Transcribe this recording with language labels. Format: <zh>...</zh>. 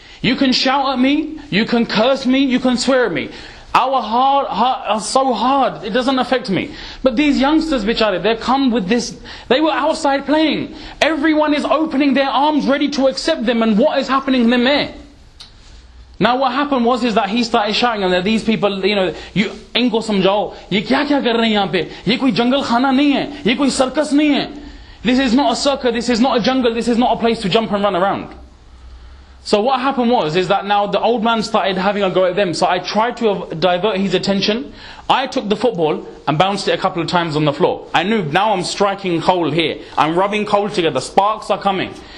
<en>You can shout at me, you can curse me, you can swear at me. Our heart are so hard, it doesn't affect me. But these youngsters, bichari, they come with this, they were outside playing. Everyone is opening their arms ready to accept them, and what is happening to them there? Now what happened was is that he started shouting, and that these people, you know, you</en> <ur>انکو سمجھاؤ، یہ کیا کیا کر رہے ہیں یہاں پے، یہ کوئی جنگل خانہ نہیں ہے، یہ کوئی سرکس نہیں ہے.</ur> <en>This is not a circus, this is not a jungle, this is not a place to jump and run around. So what happened was is that now the old man started having a go at them, so I tried to divert his attention. I took the football and bounced it a couple of times on the floor. I knew now I'm striking coal here, I'm rubbing coal together, sparks are coming.</en>